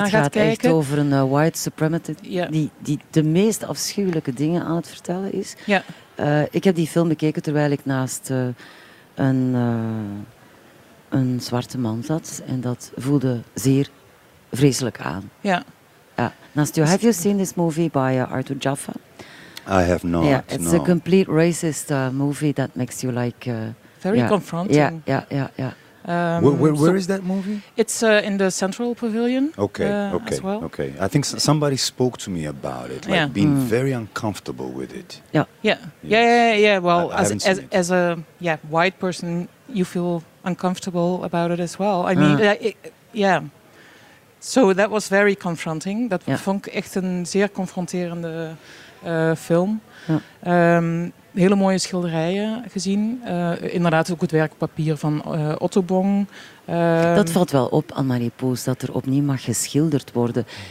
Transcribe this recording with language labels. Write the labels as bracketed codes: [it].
[nl] Nee, dat gaat echt over een white supremacist die de meest afschuwelijke dingen aan het vertellen is. Ja. Ik heb die film bekeken terwijl ik naast een zwarte man zat. En dat voelde zeer vreselijk aan. Ja. Naast jou, [en] have you seen this movie by Arthur Jaffa? I have not. Yeah, it's a complete racist movie that makes you like... Very confronting. Yeah. Where is that movie? It's in the Central Pavilion. Okay. I think somebody spoke to me about it, being very uncomfortable with it. Yeah. Well, as a white person, you feel uncomfortable about it as well. I mean, so that was very confronting. [nl] That vond ik echt een zeer confronterende film. Ja. Hele mooie schilderijen gezien. Inderdaad ook het werk papier van Otto Bong. Dat valt wel op, Anne-Marie Poes, dat er opnieuw mag geschilderd worden.